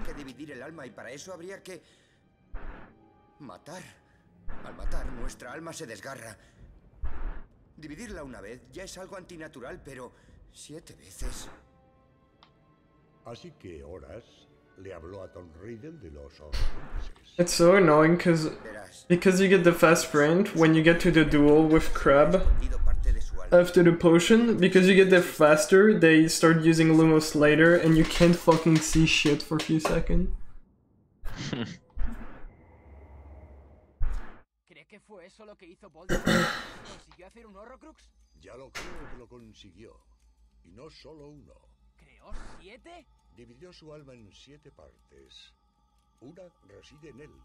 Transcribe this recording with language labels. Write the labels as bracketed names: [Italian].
[Spanish] Habría que dividir el alma y para eso habría que... matar. Al matar, nuestra alma se desgarra. Dividirla una vez ya es algo antinatural, pero... ¿siete veces? Así que Horace le habló a Tom Riddle de los... [English] It's so annoying because you get the fast sprint when you get to the duel with Crab after the potion, because you get there faster, they start using Lumos later and you can't fucking see shit for a few seconds. [Spanish] ¿Cree que fue eso lo que hizo Voldemort? ¿Consiguió hacer un Horrocrux? Ya lo creo que lo consiguió. Y no solo uno. ¿Creó siete? Dividió su alma en siete partes. Una reside en él.